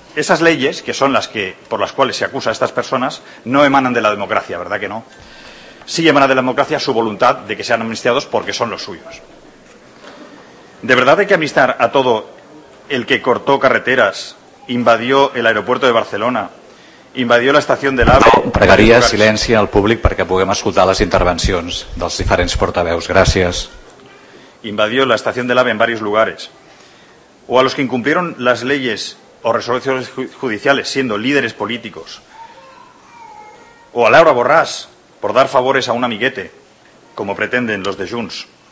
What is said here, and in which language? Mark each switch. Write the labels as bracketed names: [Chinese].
[Spanish] Esas leyes, que son las que por las cuales se acusa a estas personas, no emanan de la democracia, ¿verdad que no? Sí emana de la democracia su voluntad de que sean amnistiados porque son los suyos. ¿De verdad hay que amnistar a todo el que cortó carreteras, invadió el aeropuerto de Barcelona, invadió la estación del AVE? [Catalan] Pregaria silenci al públic perquè puguem escoltar les intervencions dels diferents portaveus. Gràcies. [Spanish] Invadió la estación del AVE en varios lugares. O a los que incumplieron las leyes o resoluciones judiciales siendo líderes políticos. O a Laura Borràs por dar favores a un amiguete, como pretenden los de Junts.